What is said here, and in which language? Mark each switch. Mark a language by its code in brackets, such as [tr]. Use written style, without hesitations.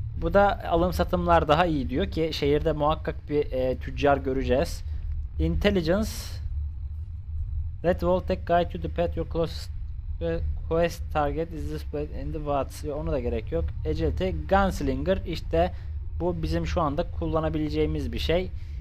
[tr] Bu da alım satımlar daha iyi diyor ki şehirde muhakkak bir tüccar göreceğiz. [en] Intelligence. Let Voltec guide you the path your closest quest target is displayed in the woods. [tr] Ona da gerek yok. Agility, Gunslinger, işte bu bizim şu anda kullanabileceğimiz bir şey.